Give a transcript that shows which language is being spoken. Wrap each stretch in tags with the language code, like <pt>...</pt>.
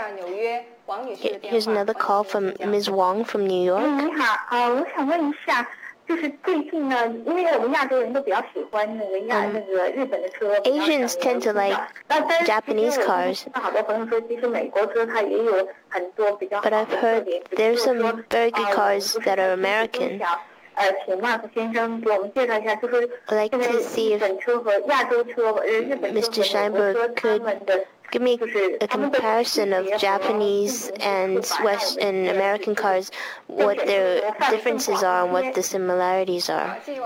<en>Here's another call from Ms. Wang from New York.</en> <zh>你好，我想问一下，就是最近呢，因为我们亚洲人都比较喜欢那个日本的车。</zh> <en>Asians tend to like Japanese cars.</en> <zh>好多朋友说，其实美国车它也有很多比较好的。</zh> <en>But I've heard there's some very good cars that are American.</en> <zh>请 Mark 先生给我们介绍一下，就是现在日本车和亚洲车，</zh> <en>Mr. Scheinberg could. Give me a comparison of Japanese and Western American cars, what their differences are and what the similarities are.</en>